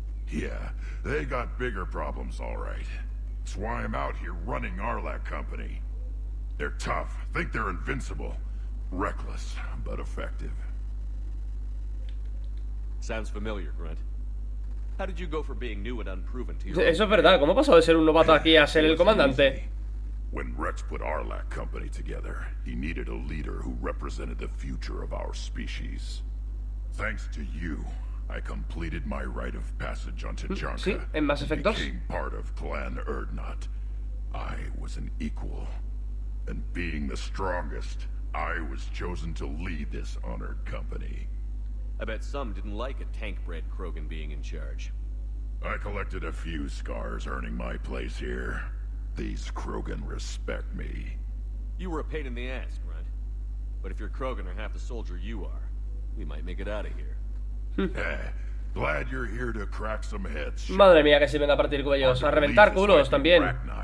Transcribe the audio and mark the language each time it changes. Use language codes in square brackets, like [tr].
[en] Yeah, they got bigger problems, all right. That's why I'm out here running Arlak Company. They're tough, think they're invincible. Reckless, but effective. Sounds familiar, Grunt. How did you go from being new and unproven to your... [es] Eso es verdad, ¿cómo ha pasado de ser un novato aquí a ser el comandante? [en] When Rex put Arlak Company together, he needed a leader who represented the future of our species. Thanks to you, I completed my rite of passage on T'Chanka. [es] Sí, en Mass Effect 2. [en] Became part of Clan Erdnot. I was an equal. And being the strongest, I was chosen to lead this honored company. I bet some didn't like a tank-bred Krogan being in charge. I collected a few scars earning my place here. These Krogan respect me. You were a pain in the ass, Grunt. But if your Krogan are half the soldier you are, we might make it out of here. Glad you're here to crack some heads. [es] Madre mía, que se venga a partir cuellos, a reventar culos también.